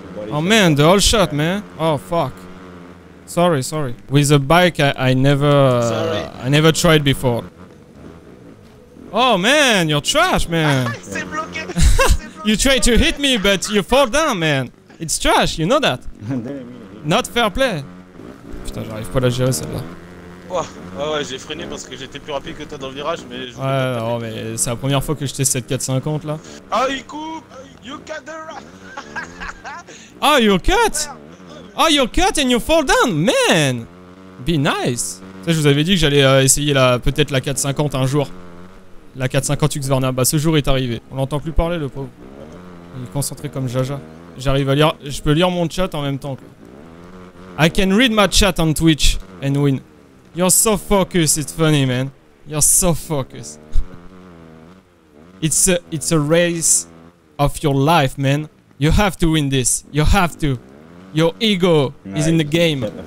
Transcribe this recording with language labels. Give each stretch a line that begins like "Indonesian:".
English: Oh man, the whole shot, man. Oh fuck. Sorry, sorry. With a bike, I never tried before. Oh man, you're trash, man. You try to hit me, but you fall down, man. It's trash, you know that. Not fair play.
French: Putain, j'arrive pas à la gérer celle-là. Oh, ouais, j'ai freiné parce que j'étais plus rapide que toi dans le virage, mais. Ouais, non, mais c'est la première fois que je teste cette 450 là. Ah, il coupe.
English: You cut the rock. Oh, you cut. Oh, you cut and you fall down, man. Be nice.
French: Ça, je vous avais dit que j'allais essayer la, peut-être la 450 un jour. La 450 Husqvarna, bah ce jour est arrivé. On l'entend plus parler, le pauvre. Il est concentré comme Jaja. J'arrive à lire. Je peux lire mon chat en même temps.
English: I can read my chat on Twitch and win. You're so focused, it's funny, man. You're so focused. It's a race of your life, man. You have to win this. You have to. Your ego is in the game.